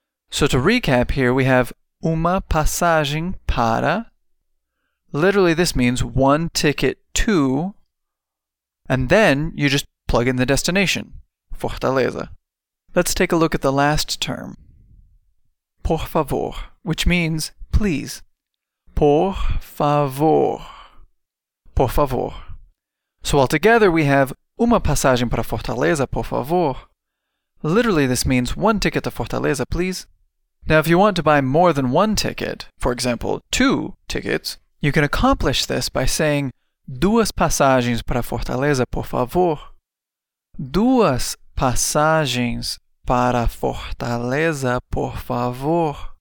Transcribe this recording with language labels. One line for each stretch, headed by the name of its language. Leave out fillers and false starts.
English: So to recap here, we have
Portuguese: uma passagem para.
English: Literally, this means one ticket to. And then you just plug in the destination. Fortaleza. Let's take a look at the last term.
Portuguese: Por favor,
English: which means please.
Portuguese: Por favor. Por favor.
English: So altogether we have
Portuguese: uma passagem para Fortaleza, por favor.
English: Literally this means one ticket to Fortaleza, please. Now if you want to buy more than one ticket, for example, two tickets, you can accomplish this by saying
Portuguese: duas passagens para Fortaleza, por favor. Duas passagens para Fortaleza, por favor.